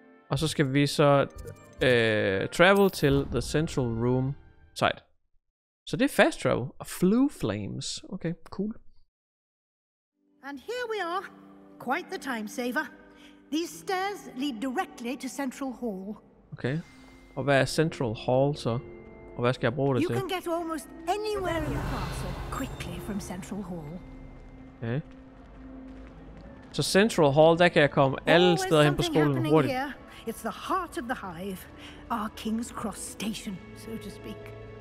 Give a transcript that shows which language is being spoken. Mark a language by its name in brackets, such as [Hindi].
[Danish] Og så skal vi så travel til the central room. Sejt. Så det er fast travel og flu flames. Okay, cool. [English] And here we are. Quite the time saver. These stairs lead directly to Central Hall. Okay. [Danish] Og hvad er Central Hall så? Og hvad skal jeg bruge det til? [English] You can get almost anywhere in the castle quickly from Central Hall. Okay. [Danish] Så Central Hall, der kan jeg komme alle steder hen på skolen hurtigt. [English] Here. It's the heart of the hive, our King's Cross station, so to speak.